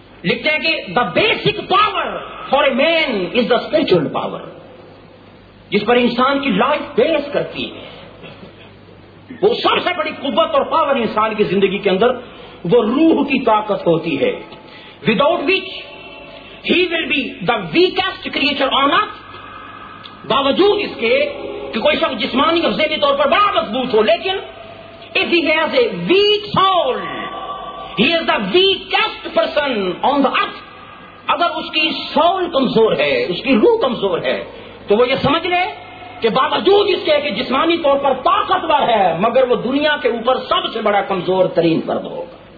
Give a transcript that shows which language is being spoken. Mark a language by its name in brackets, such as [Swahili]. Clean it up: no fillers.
[Urdu] لکھتے ہیں کہ [English] the basic power for a man is the spiritual power, [Urdu] جس پر انسان کی لائف بیس کرتی ہے. وہ سب سے بڑی قوت اور پاور انسان کی زندگی کے اندر وہ روح کی طاقت ہوتی ہے. [English] Without which he will be the weakest creature on earth, [Urdu] باوجود اس کے کہ کوئی شخص جسمانی اور ذہنی طور پر بڑا مضبوط ہو، لیکن [English] if he has a weak soul he is the weakest person on the earth. [Urdu] اگر اس کی سول کمزور ہے، اس کی روح کمزور ہے، تو وہ یہ سمجھ لے کہ باوجود اس کے کہ جسمانی طور پر طاقتور ہے، مگر وہ دنیا کے اوپر سب سے بڑا کمزور ترین فرد ہوگا.